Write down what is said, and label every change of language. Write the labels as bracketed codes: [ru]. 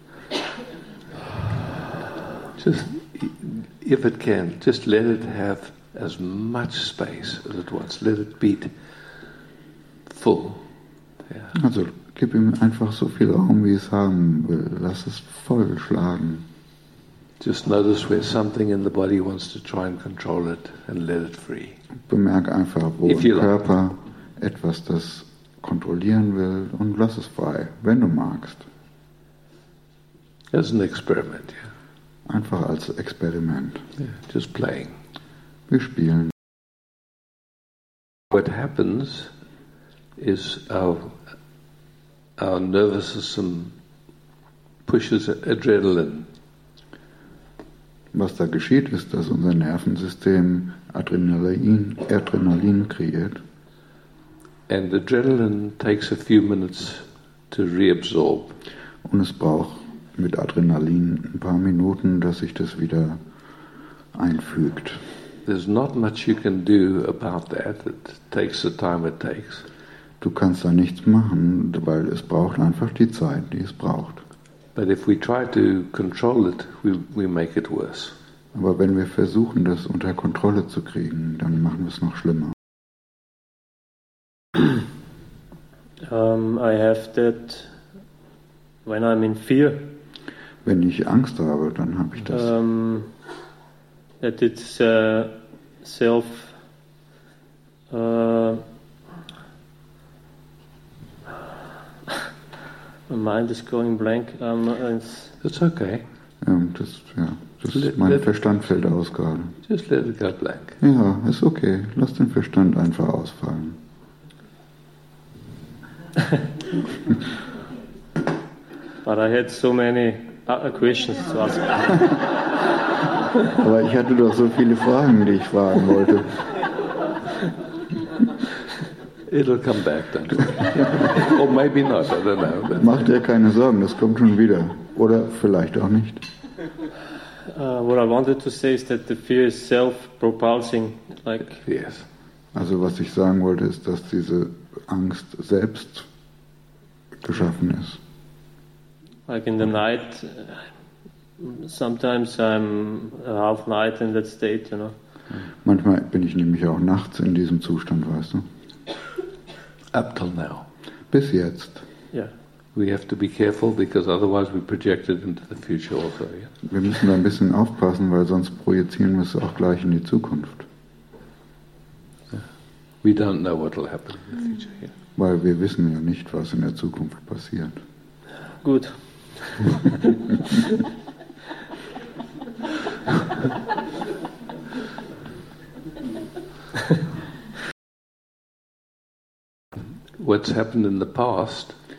[en] Just, if it can, just let it have as much space as it wants. Let it beat full. Yeah. [de] Also, gib ihm einfach so viel Raum, wie es haben will. Lass es voll schlagen. [en] Just notice where something in the body wants to try and control it and let it free. [de] Bemerk einfach, wo im Körper etwas das kontrollieren will, und lass es frei, wenn du magst. [en] As an experiment, yeah. [de] Einfach als Experiment. [en] Yeah, just playing. [de] Wir spielen. [en] What happens is our nervous system pushes adrenaline. [de] Was da geschieht, ist, dass unser Nervensystem Adrenalin kreiert. [en] And adrenaline takes a few minutes to reabsorb. [de] Und es braucht mit Adrenalin ein paar Minuten, dass sich das wieder einfügt. [en] There's not much you can do about that. It takes the time it takes. [de] Du kannst da nichts machen, weil es braucht einfach die Zeit, die es braucht. [en] But if we try to control it, we make it worse. [de] Aber wenn wir versuchen, das unter Kontrolle zu kriegen, dann machen wir es noch schlimmer. [en] I have that when I'm in fear. [de] Wenn ich Angst habe, dann habe ich das. [en] That it's self. My mind is going blank. It's okay. [de] Mein Verstand fällt aus gerade. [en] Just let it go blank. [de] Ja, ist okay. Lass den Verstand einfach ausfallen. [en] But I had so many other questions to ask. [de] Aber ich hatte doch so viele Fragen, die ich fragen wollte. [en] It'll come back, don't worry. Or maybe not, I don't know. [de] Mach dir keine Sorgen, das kommt schon wieder. Oder vielleicht auch nicht. [en] What I wanted to say is that the fear is self-propulsing. Yes. [de] Also was ich sagen wollte, ist, dass diese Angst selbst geschaffen ist. [en] Like in the night, sometimes I'm half night in that state, you know. [de] Manchmal bin ich nämlich auch nachts in diesem Zustand, weißt du. [en] Up till now. [de] Bis jetzt. [en] Yeah. We have to be careful because otherwise we project it into the future also. Yeah? [de] Wir müssen da ein bisschen aufpassen, weil sonst projizieren wir es auch gleich in die Zukunft. [en] Yeah. We don't know what will happen in the future. Yeah. [de] Weil wir wissen ja nicht, was in der Zukunft passiert. Gut. [en] What's happened in the past,